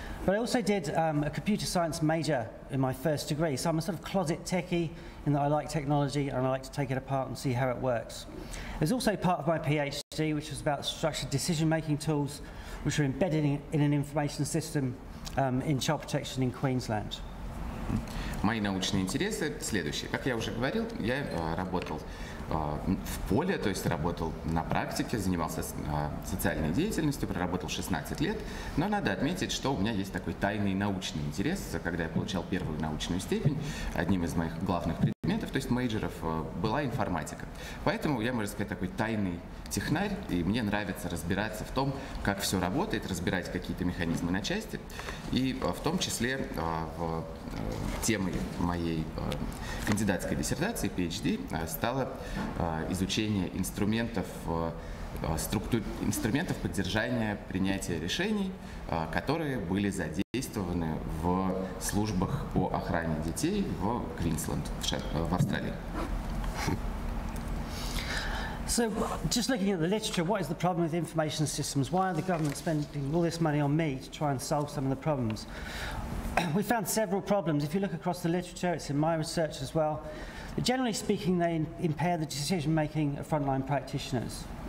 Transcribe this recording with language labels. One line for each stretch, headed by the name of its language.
English: But I also did a computer science major in my first degree, so I'm a sort of closet techie in that I like technology and I like to take it apart and see how it works. It was also part of my PhD, which was about structured decision-making tools, which are embedded in an information system in child protection in Queensland.
Russian: Мои научные интересы следующие. Как я уже говорил, я работал в поле, то есть работал на практике, занимался социальной деятельностью, проработал 16 лет. Но надо отметить, что у меня есть такой тайный научный интерес. Когда я получал первую научную степень, одним из моих главных предметов, то есть мейджоров, была информатика. Поэтому я, можно сказать, такой тайный технарь, и мне нравится разбираться в том, как все работает, разбирать какие-то механизмы на части. И в том числе в темой моей кандидатской диссертации, PhD, стало изучение инструментов поддержания принятия решений, которые были задействованы в службах по охране детей в Квинсленд, в Австралии.
English: So, just looking at the literature, what is the problem with information systems? Why are the government spending all this money on me to try and solve some of the problems? We found several problems. If you look across the literature, it's in my research as well. Generally speaking, they impair the decision-making of frontline practitioners.